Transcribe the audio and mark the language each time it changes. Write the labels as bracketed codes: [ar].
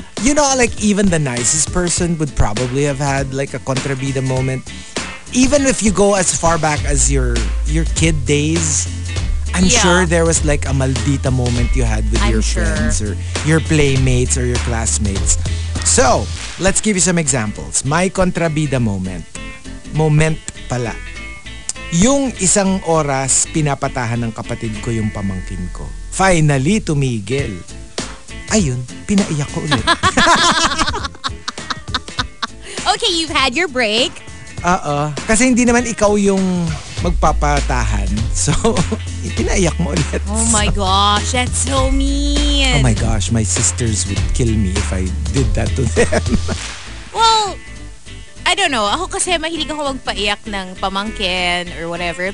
[en] You know, like even the nicest person would probably have had like a kontrabida moment. Even if you go as far back as your kid days, I'm sure there was like a maldita moment you had with friends or your playmates or your classmates. So, let's give you some examples. My kontrabida moment. Moment pala. [tl] Yung isang oras, pinapatahan ng kapatid ko yung pamangkin ko. Finally, tumigil. Ayun, pinaiyak ko ulit. [en] Okay, you've had your break. [tl] Kasi hindi naman ikaw yung magpapatahan. So, pinaiyak mo ulit. [en] Oh my gosh, that's so mean. Oh my gosh, my sisters would kill me if I did that to them. Well, I don't know. [tl] Ako kasi mahilig ako magpaiyak ng pamangkin or whatever.